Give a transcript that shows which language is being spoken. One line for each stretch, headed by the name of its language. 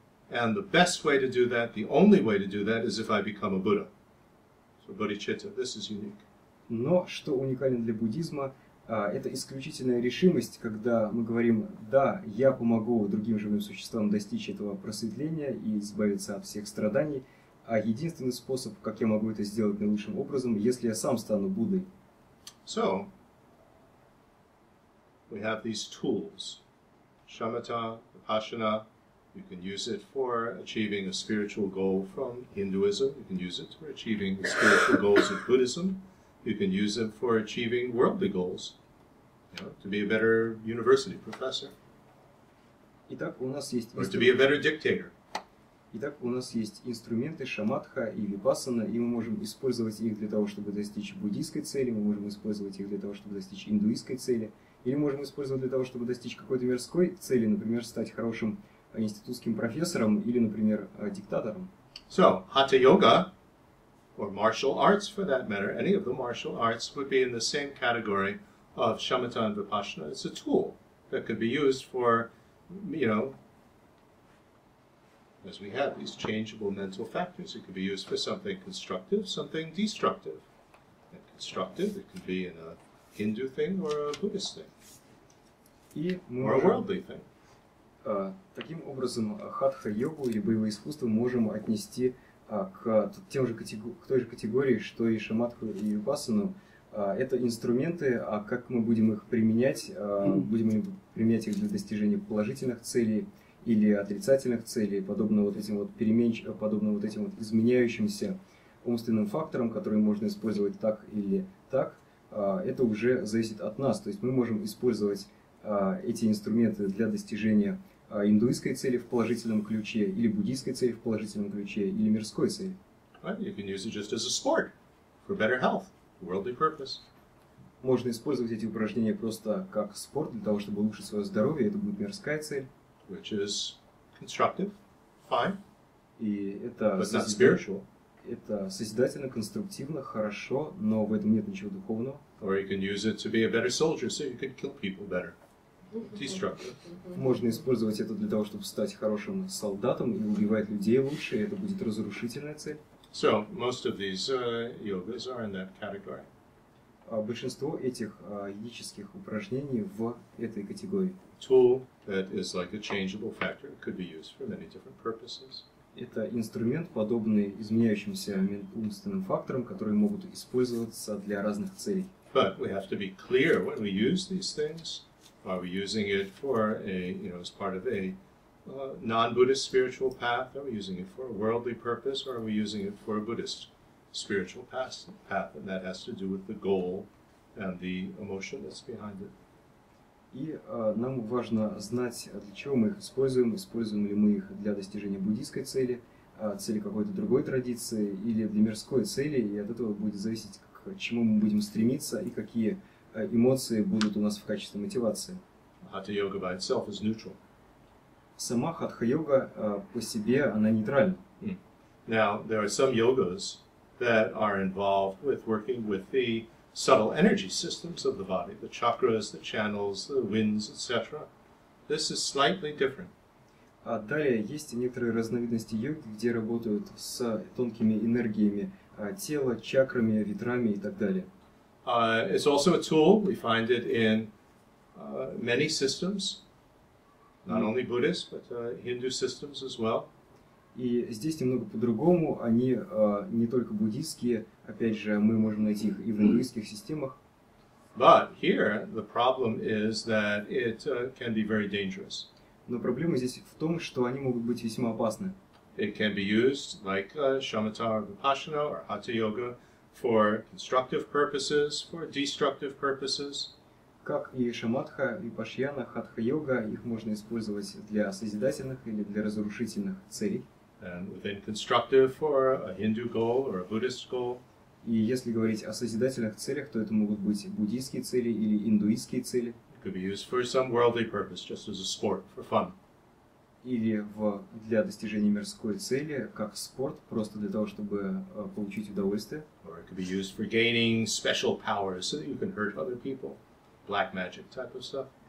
English: And the best way to do that, the only way to do that, is if I become a Buddha. So bodhicitta, this is unique.
Russian: Но что уникально для буддизма, это исключительная решимость, когда мы говорим, да, я помогу другим живым существам достичь этого просветления и избавиться от всех страданий, а единственный способ, как я могу это сделать наилучшим образом, если я сам стану Буддой.
English: So, we have these tools, shamatha, vipassana. You can use it for achieving a spiritual goal from Hinduism. You can use it for achieving the spiritual goals of Buddhism. You can use them for achieving worldly goals, you know, to be a better university professor.
Russian: Итак, у нас есть
English: or to be a better dictator.
Russian: Итак, у нас есть инструменты шамадха и випассана, и мы можем использовать их для того, чтобы достичь буддийской цели, мы можем использовать их для того, чтобы достичь индуистской цели, или можем использовать для того, чтобы достичь какой-то мирской цели, например, стать хорошим институтским профессором или, например, диктатором.
English: So, хатха-йога, or martial arts for that matter, any of the martial arts would be in the same category of shamatha and vipassana. It's a tool that could be used for, you know, as we have these changeable mental factors, it could be used for something constructive, something destructive. And constructive, it could be in a Hindu thing or a Buddhist thing. Or a worldly thing.
Russian: Таким образом, хатха-йогу или боевое искусство можем отнести к той же категории, что и шамадху и випассану. Это инструменты, а как мы будем их применять? Будем ли применять их для достижения положительных целей или отрицательных целей, подобно вот этим вот изменяющимся умственным факторам, которые можно использовать так или так, это уже зависит от нас. То есть мы можем использовать эти инструменты для достижения индуистской цели в положительном ключе, или буддийской цели в положительном ключе, или мирской цели.
English: Right, you can use it just as a sport, for better health, worldly purpose.
Russian: Можно использовать эти упражнения просто как спорт, для того, чтобы улучшить свое здоровье, это будет мирская цель.
English: Which is constructive, fine,
Russian: и это
English: but not spiritual.
Russian: Это созидательно, конструктивно, хорошо, но в этом нет ничего духовного.
English: Or you can use it to be a better soldier, so you can kill people better.
Russian: Можно использовать это для того, чтобы стать хорошим солдатом и убивать людей лучше, и это будет разрушительная цель.
English: So, most of these yogas are in that category.
Russian: Большинство этих йогических упражнений в этой категории.
English: Tool that is like a changeable factor. It could be used for many different purposes.
Russian: Это инструмент, подобный изменяющимся умственным факторам, которые могут использоваться для разных целей.
English: But we have to be clear when we use these things. Are we using it for a, you know, as part of a non-Buddhist spiritual path? Are we using it for a worldly purpose, or are we using it for a Buddhist spiritual path? And that has to do with the goal and the emotion that's behind it.
Russian: И нам важно знать, для чего мы их используем. Используем ли мы их для достижения буддийской цели, цели какой-то другой традиции, или для мирской цели? И от этого будет зависеть, к чему мы будем стремиться и какие эмоции будут у нас в качестве мотивации.
English: Хатха-йога by itself is neutral.
Russian: Сама хатха-йога по себе, она нейтральна.
English: Now, there are some yogas that are involved with working with the subtle energy systems of the body, the chakras, the channels, the winds, etc. This is slightly different.
Russian: А далее, есть некоторые разновидности йоги, где работают с тонкими энергиями тела, чакрами, ветрами и так далее.
English: It's also a tool. We find it in many systems, not only Buddhist, but Hindu systems as well.
Russian: И здесь немного по-другому. Они не только буддийские. Опять же, мы можем найти их и в индуистских системах.
English: But here the problem is that it can be very dangerous.
Russian: Но проблема здесь в том, что они могут быть весьма опасны.
English: It can be used like shamatha or vipassana or hatha yoga. For constructive purposes, for destructive purposes.
Russian: Как и шамадха, випассана, хатха-йога, их можно использовать для созидательных или для разрушительных целей.
English: And within constructive for a Hindu goal or a Buddhist goal.
Russian: И если говорить о созидательных целях, то это могут быть буддийские цели или индуистские цели.
English: It could be used for some worldly purpose, just as a sport, for fun.
Russian: Или для достижения мирской цели, как спорт, просто для того, чтобы получить удовольствие.
English: Or it could be used for gaining special powers so that you can hurt other people. Black magic type of stuff.